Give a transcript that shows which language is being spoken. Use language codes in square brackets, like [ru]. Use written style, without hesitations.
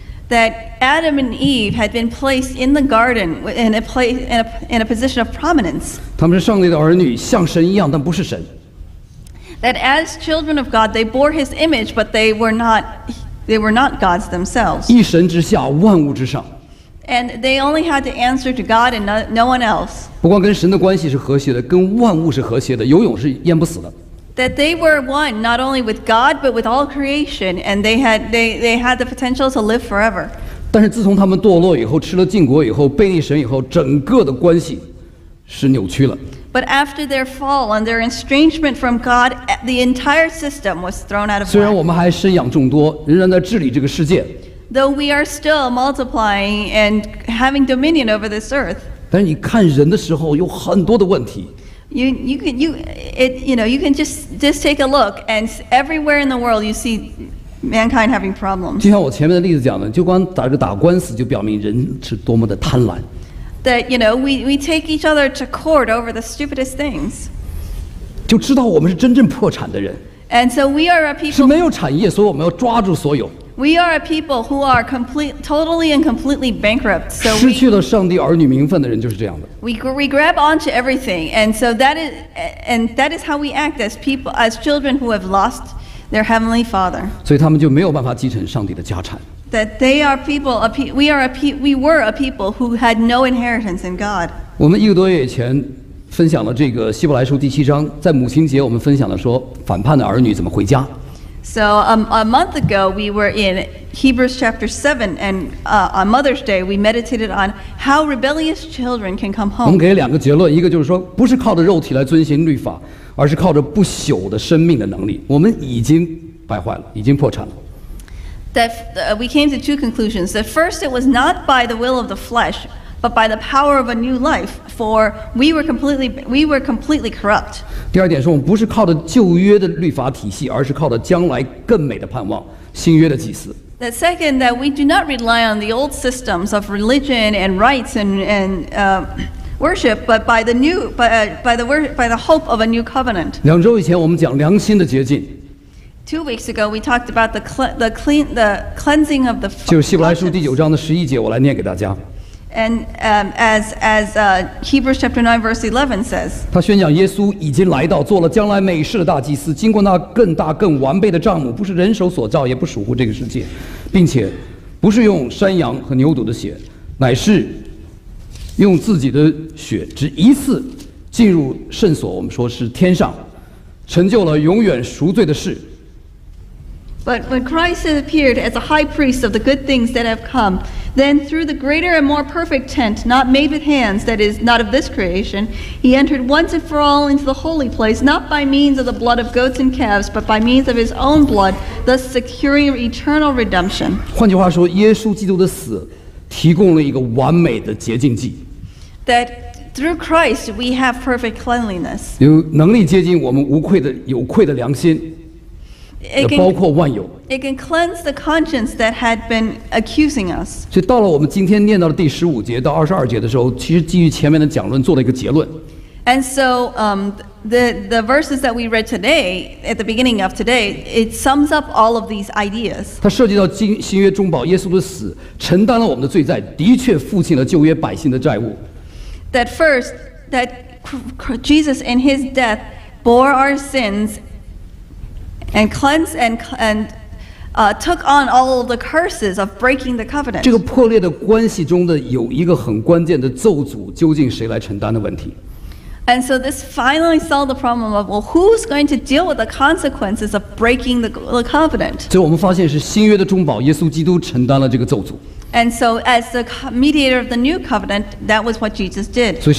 [en] That Adam and Eve had been placed in the garden in a position of prominence. [zh] 他们是上帝的儿女，像神一样，但不是神。 [en] That as children of God, they bore His image, but they were not gods themselves. [zh] 一神之下，万物之上。 [en] And they only had to answer to God and no one else. [zh] 不光跟神的关系是和谐的，跟万物是和谐的，游泳是淹不死的。 [en] That they were one, not only with God, but with all creation, and they had the potential to live forever. [zh] 但是自从他们堕落以后，吃了禁果以后，背逆神以后，整个的关系是扭曲了。 [en] But after their fall and their estrangement from God, the entire system was thrown out of whack. [zh] 虽然我们还生养众多，仍然在治理这个世界。 [en] Though we are still multiplying and having dominion over this earth. [zh] 但是你看人的时候，有很多的问题。 [en] You can just take a look, and everywhere in the world you see mankind having problems. [zh] 就像我前面的例子讲的，就光打这打官司，就表明人是多么的贪婪。 [en] That you know, we take each other to court over the stupidest things. [zh] 就知道我们是真正破产的人。 [en] And so we are a people. [zh] 是没有产业，所以我们要抓住所有。 [en] We are a people who are totally and completely bankrupt. So [zh] 失去了上帝儿女名分的人就是这样的。 [en] We grab onto everything, and so that is how we act as people, as children who have lost their heavenly father. [zh] 所以他们就没有办法继承上帝的家产。 [en] That they are people, we were a people who had no inheritance in God. [zh] 我们一个多月以前分享了这个希伯来书第七章，在母亲节我们分享了说反叛的儿女怎么回家。 [en] So a month ago we were in Hebrews chapter 7 and on Mother's Day we meditated on how rebellious children can come home. [zh] 我们给两个结论，一个就是说不是靠着肉体来遵行律法，而是靠着不朽的生命的能力。我们已经败坏了，已经破产了。 [en] That we came to two conclusions. That first, it was not by the will of the flesh, but by the power of a new life. For we were completely corrupt. [zh] 第二点是我们不是靠着旧约的律法体系，而是靠着将来更美的盼望，新约的祭司。 [en] The second, that we do not rely on the old systems of religion and rites and worship, but by the hope of a new covenant. [zh] 两周以前我们讲良心的洁净。 [en] Two weeks ago, we talked about the cleansing of the. [zh] 就是希伯来书第九章的十一节，我来念给大家。 [en] And Hebrews chapter 9 verse 11 says. [zh] 他宣讲耶稣已经来到，做了将来美事的大祭司，经过那更大更完备的帐幕，不是人手所造，也不属乎这个世界，并且不是用山羊和牛犊的血，乃是用自己的血，只一次进入圣所，我们说是天上，成就了永远赎罪的事。 [en] But when Christ has appeared as a high priest of the good things that have come, then through the greater and more perfect tent, not made with hands, that is, not of this creation, he entered once and for all into the holy place, not by means of the blood of goats and calves, but by means of his own blood, thus securing eternal redemption. [zh] 换句话说，耶稣基督的死提供了一个完美的洁净剂。 [en] That through Christ we have perfect cleanliness. [zh] 有能力接近我们无愧的、有愧的良心。 [en] It can cleanse the conscience that had been accusing us. [zh] 所以到了我们今天念到的第十五节到二十二节的时候，其实基于前面的讲论做了一个结论。 [en] And so the verses that we read today, at the beginning of today, it sums up all of these ideas. [zh] 它涉及到新约中保耶稣的死，承担了我们的罪债，的确付清了旧约百姓的债务。 [en] That first, that Jesus in his death bore our sins and cleansed and took on all of the curses of breaking the covenant. [zh] 这个破裂的关系中的有一个很关键的咒诅，究竟谁来承担的问题？ [en] And so this finally solved the problem of, well, who's going to deal with the consequences of breaking the covenant? [zh] 所以我们发现是新约的中保耶稣基督承担了这个咒诅。 [en] And so as the mediator of the new covenant, that was what Jesus did.